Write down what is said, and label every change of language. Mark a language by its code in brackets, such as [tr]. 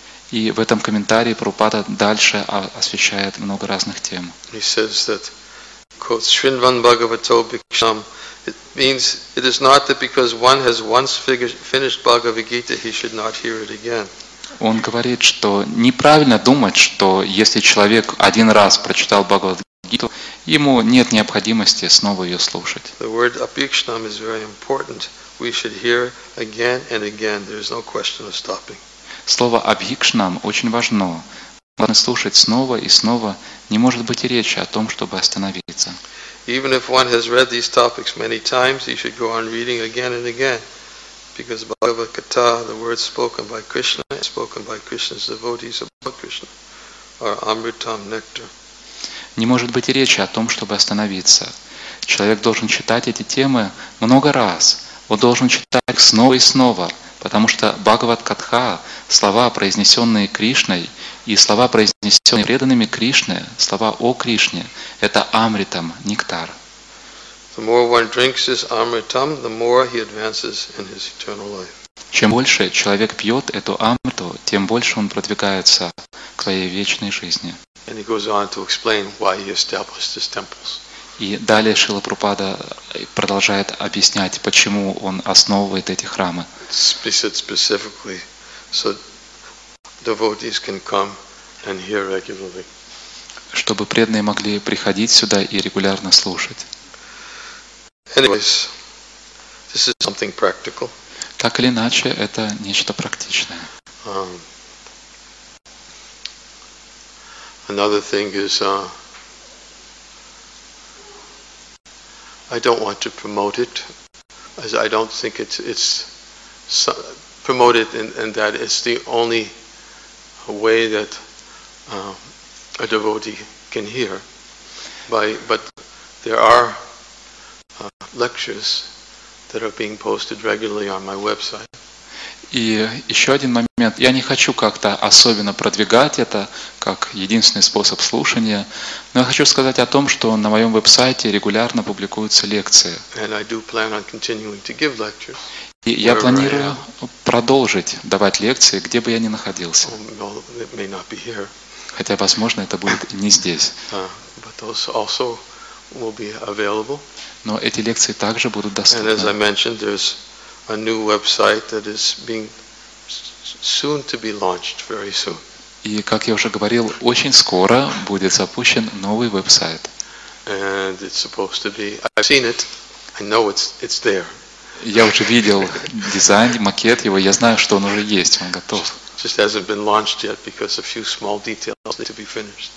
[ru] И в этом комментарии Прабхупада дальше освещает много разных тем. [en] He says that, quote, Shrinvan Bhagavato Bhiksham, it means it is not that because one has once finished Bhagavad Gita, he should not hear it again. [ru] Он говорит, что неправильно думать, что если человек один раз прочитал Бхагавад-гиту, ему нет необходимости снова ее слушать. [en] The word apikshnam is very important. We should hear again and again. There is no question of stopping. [ru] Слово апикшнам очень важно. Важно слушать снова и снова. Не может быть и речи о том, чтобы остановиться. [en] Even if one has read these topics many times, he should go on reading again and again. Because Bhagavad Gita, the words spoken by Krishna, spoken by Krishna's devotees about Krishna, are amritam nectar. [ru] Не может быть и речи о том, чтобы остановиться. Человек должен читать эти темы много раз. Он должен читать их снова и снова, потому что Бхагавад Катха, слова, произнесенные Кришной, и слова, произнесенные преданными Кришне, слова о Кришне, это амритам, нектар. [en] The more one drinks this amritam, the more he advances in his eternal life. [ru] Чем больше человек пьет эту амриту, тем больше он продвигается к своей вечной жизни. [en] And he goes on to explain why he established his temples. [ru] И далее Шрила Прабхупада продолжает объяснять, почему он основывает эти храмы. [en] Specifically, so devotees can come and hear regularly. [ru] Чтобы преданные могли приходить сюда и регулярно слушать. [en] Anyways, this is something practical. [ru] Так или иначе, это нечто практичное. [en] Another thing is, I don't want to promote it, as I don't think it's promoted, and that it's the only way that a devotee can hear. But there are lectures that are being posted regularly on my website. [ru] И еще один момент. Я не хочу как-то особенно продвигать это, как единственный способ слушания, но я хочу сказать о том, что на моем веб-сайте регулярно публикуются лекции. [en] And I do plan on continuing to give lectures. [ru] И я планирую продолжить давать лекции, где бы я ни находился. [en] Well, it may not be here. [ru] Хотя, возможно, это будет не здесь. [en] But those also will be available. [ru] Но эти лекции также будут доступны. [en] And as I mentioned, there's a new website that is being soon to be launched very soon. [ru] И как я уже говорил, очень скоро будет запущен новый веб-сайт. [en] And it's supposed to be. I've seen it. I know it's there. [ru] Я уже видел дизайн, макет его. Я знаю, что он уже есть. Он готов. [en] Just hasn't been launched yet because a few small details need to be finished.